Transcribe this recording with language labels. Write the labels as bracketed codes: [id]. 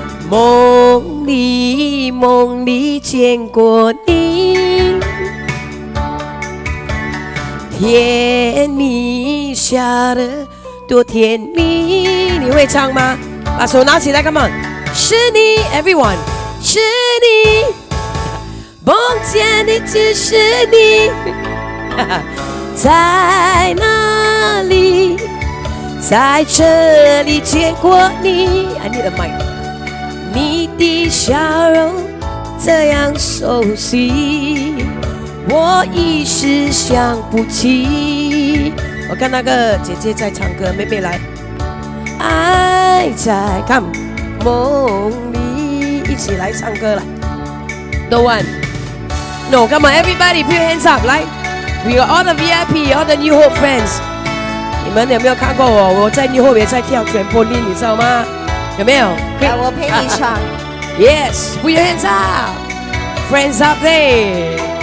[zh] 梦里，梦里见过你，甜蜜笑得多甜蜜。你会唱吗？把手拿起来 ， [en] Come on！ [zh] 是你 ，Everyone， 是你，梦见的只是你，在哪里？在这里见过你 ， [en] I need a mic。 [zh] 你的笑容这样熟悉，我一时想不起。我看那个姐姐在唱歌，妹妹来。爱在 come 梦里，一起来唱歌来。 [en] No one, no, come on, everybody, put your hands up, 来。 We are all the VIP, all the New Hope fans。 [zh] 你们有没有看过我？我在 New Hope 也在跳全波令，你知道吗？有没有？来，我陪你唱。 [en] Yes, put your hands up, friends up there.